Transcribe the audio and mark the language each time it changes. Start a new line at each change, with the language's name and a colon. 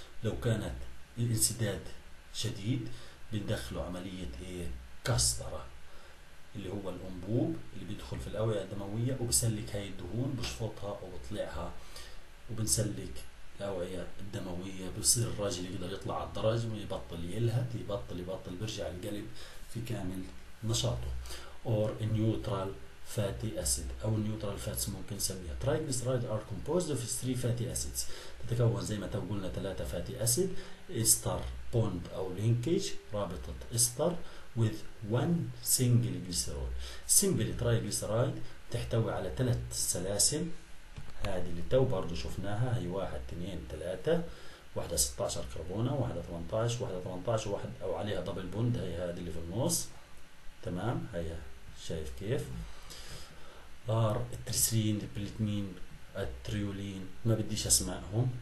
Arabic: لو كانت الانسداد شديد بندخله عملية كسترة اللي هو الأنبوب اللي بيدخل في الأوعية الدموية وبسلك هاي الدهون، بشفطها وبطلعها وبنسلك الأوعية الدموية، بصير الراجل يقدر يطلع على الدرج ويبطل يلهث، يبطل برجع القلب في كامل نشاطه.
English: or a neutral fatty acid أو neutral fats ممكن نسميها. triglycerides are composed of three fatty acids، تتكون زي ما تقولنا ثلاثة fatty acid، ester bond أو linkage رابطة ester with one single glycerol.
Arabic: simple triglyceride تحتوي على ثلاث سلاسل، هذه اللي تو برضو شفناها، هي واحد اثنين ثلاثة، واحدة 16 كربونة، واحدة 18، واحدة 18 وواحد أو عليها دبل بوند، هي هذه اللي في النص، تمام. هي شايف كيف ار التريسلين البليتنين التريولين، ما بديش اسمائهم.